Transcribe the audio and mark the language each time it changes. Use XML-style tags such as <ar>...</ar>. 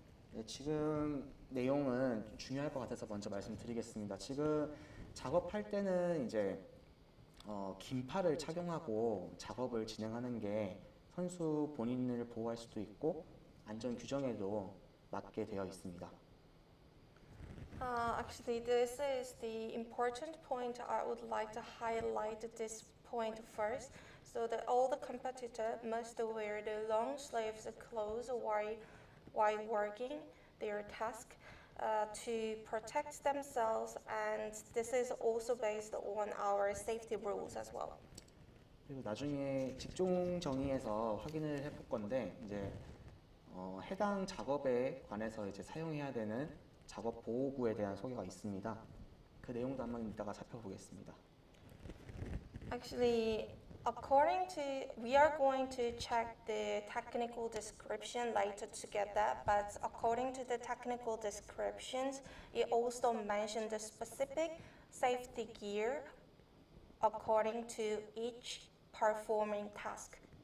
<ko>네, 지금 내용은 중요할 것 같아서 먼저 말씀드리겠습니다. 지금 작업할 때는 이제 긴팔을 착용하고 작업을 진행하는 게 선수 본인을 보호할 수도 있고 안전 규정에도 맞게 되어 있습니다.</ko> <en>Actually, this is the important point. I would like to highlight this point first, so that all the competitor must wear the long sleeves clothes while working their task to protect themselves. And this is also based on our safety rules as well.</en> <ko>그리고 나중에 직종 정의에서 확인을 해볼 건데 이제. 해당 작업에 관해서 이제 사용해야 되는 작업 보호구에 대한 소개가 있습니다. 그 내용도 한번 이따가 살펴보겠습니다.</ko> <en>Actually, According to, we are going to check the technical description later together, but according to the technical descriptions, it also mentioned the specific safety gear according to each performing task.</en>